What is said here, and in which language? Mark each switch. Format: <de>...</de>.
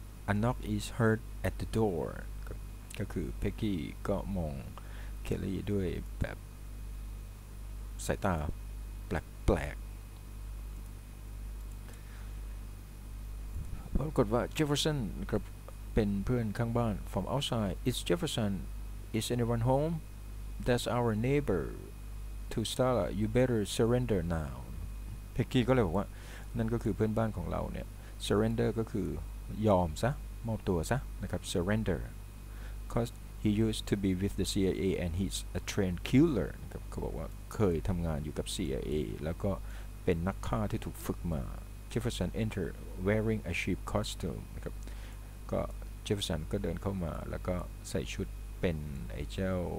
<en>A knock is heard at the door.</en> <th>ก็คือ Peggy ก็มอง Kelly ด้วยแบบสายตาแปลกๆ ปรากฏว่า Jefferson ครับเป็นเพื่อนข้างบ้าน</th> <en>From outside, it's Jefferson.</en> <th>Is anyone home?</th> <en>That's our neighbor.To Stella, you better surrender now. Peggy</en> <th>ก็เลยบอกว่า นั่นก็คือเพื่อนบ้านของเราเนี่ย surrender ก็คือยอมซะมอบตัวซะนะครับ</th> <en>surrender because he used to be with the CIA and he's a trained killer</en> <th>นะครับเขาบอกว่าเคยทำงานอยู่กับ CIA แล้วก็เป็นนักฆ่าที่ถูกฝึกมา</th> <en>Jefferson entered wearing a sheep costume</en> <th>นะครับก็เจฟเฟอร์สันก็เดินเข้ามาแล้วก็ใส่ชุดเป็นไอ้เจ้า</th>